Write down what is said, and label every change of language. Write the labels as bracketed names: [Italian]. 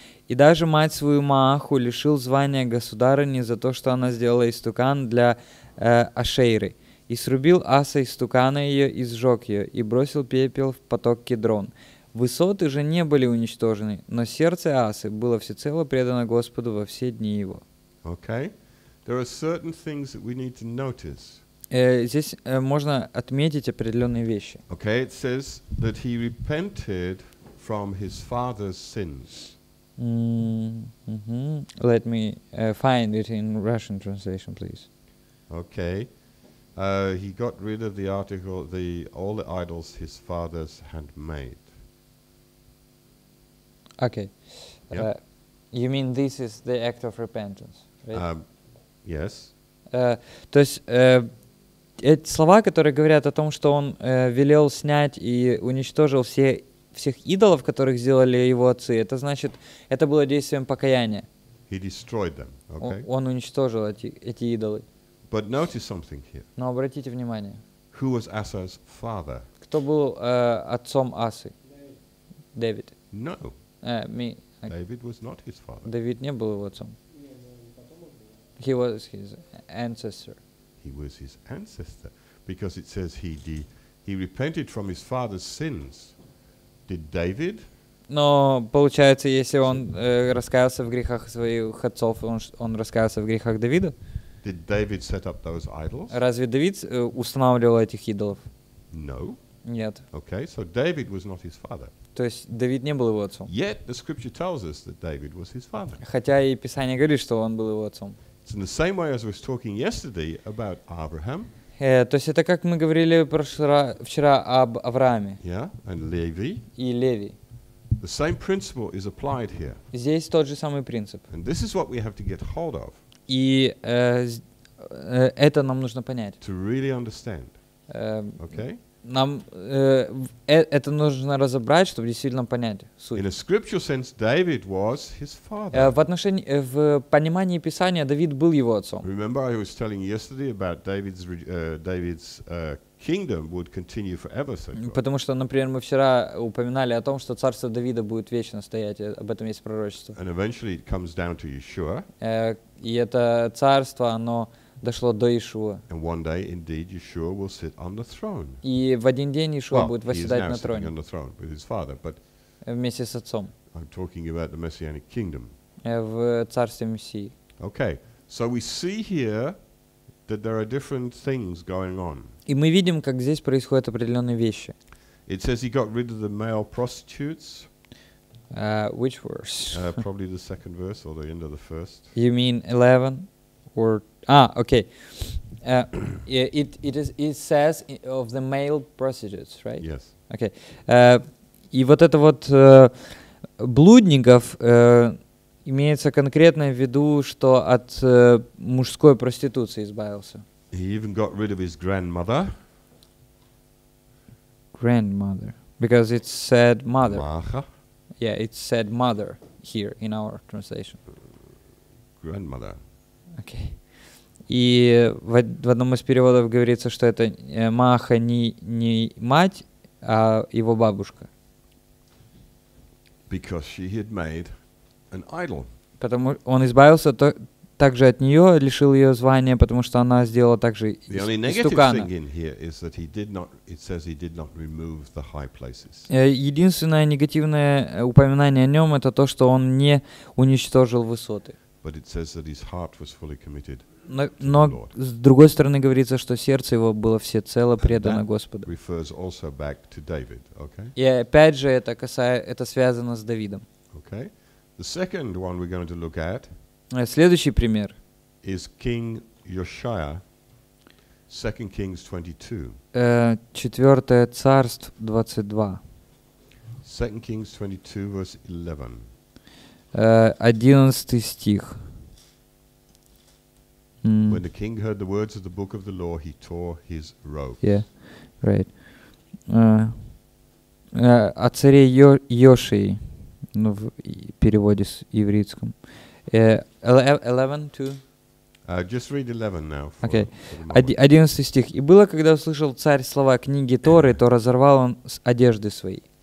[Russian] И даже мать свою Мааху лишил звания государыни за то, что она сделала истукан для Ашейры. И срубил Аса истукана ее, и сжег ее, и бросил пепел в поток Кедрон. Высоты же не были уничтожены, но сердце Асы было всецело предано Господу во все дни его. [English] Okay. There are certain things that we need to notice. [Russian] Здесь можно отметить определенные вещи. [English] Okay, it says that he repented from his father's sins. Mm-hmm. Let me find it in Russian translation, please. Okay. He got rid of the article, the all the idols his fathers had made. Okay. Yep. You mean this is the act of repentance, right? Yes. [Russian] То есть эти слова, которые говорят о том, что он велел снять и уничтожил всех идолов, которых сделали его отцы, это значит, это было действием покаяния. [English] He destroyed them, okay? [Russian] Он уничтожил эти идолы. [English] But notice something here. [Russian] Но обратите внимание. [English] Who was Asa's father? [Russian] Кто был отцом Асы? Дэвид. [English] No. Me. David was not his father. [Russian] Дэвид не был его отцом. [English] He was his ancestor. He was his ancestor, because it says he repented from his father's sins. Did David? [Russian] Но получается, если он раскаялся в грехах своих отцов, он раскаялся в грехах Давида? [English] Did David set up those idols? [Russian] Разве Давид устанавливал этих идолов? [English] No. [Russian] Нет. [English] Okay, so David was not his father. [Russian] То есть Давид не был его отцом. [English] Yet the scripture tells us that David was his father. [Russian] Хотя и Писание говорит, что он был его отцом. [English] It's in the same way as we were talking yesterday about Abraham. [Russian] То есть это как мы говорили вчера об Аврааме. [English] Yeah, and Levi. [Russian] И Леви. [English] The same principle is applied here. [Russian] Здесь тот же самый принцип. [English] And this is what we have to get hold of. [Russian] И это нам нужно понять. [English] To really understand. Okay. [Russian] Нам это нужно разобрать, чтобы действительно понять суть. [English] In a scriptural sense, David was his father. [Russian] В понимании Писания Давид был его отцом. [English] Remember, I was telling yesterday about David's kingdom would continue forever. So [Russian] потому что, например, мы вчера упоминали о том, что царство Давида будет вечно стоять. Об этом есть пророчество. [English] And eventually, it comes down to Yeshua. [Russian] И это царство, оно дошло до Иешуа. [English] And one day, indeed, Yeshua will sit on the throne. [Russian] И в один день Иешуа будет восседать на троне. [English] He is now sitting on the throne with his father, but [Russian] вместе с отцом. [English] I'm talking about the messianic kingdom. [Russian] В царстве Мессии. [English] Okay, so we see here that there are different things going on. [Russian] И мы видим, как здесь происходят определенные вещи. [English] It says he got rid of the male prostitutes. Which verse? Probably the second verse or the end of the first. You mean 11 or okay. It says of the male prostitutes, right? Yes. Okay. [Russian] И вот это вот блудников имеется конкретно в виду, что от мужской проституции избавился. [English] He even got rid of his grandmother. Grandmother. Because it said mother. [Russian] Маха. [English] Yeah, it said mother here in our translation. Grandmother. Okay. [Russian] И в одном из переводов говорится, что это Мааха не мать, а его бабушка. [English] Because she had made an idol. [Russian] Потому он избавился также от нее, лишил ее звания, потому что она сделала также истукана. [English] The only negative thing in here is that he did not, it says he did not remove the high places. [Russian] Единственное негативное упоминание о нем это то, что он не уничтожил высоты. [English] But it says that his heart was fully committed. [Russian] Но с другой стороны говорится, что сердце его было всецело предано Господу. [English] Refers also back to David, okay? [Russian] И опять же это связано с Давидом. [English] Okay. The second one we're going to look at. [Russian] Следующий пример. [English] Is King Josiah, 2 Kings 22. [Russian] Четвертое царство 22. [English] 2 Kings 22 verse 11. [Russian] 11 стих. [English] When the king heard the words of the book of the law, he tore his robe. Yeah, right. [Russian] О царе Йошии, в переводе с еврейском. 11:2. [English] Just read 11 now. [Russian] Okay. 11 стих. И было, когда услышал царь слова книги Торы, то разорвал он одежды свои.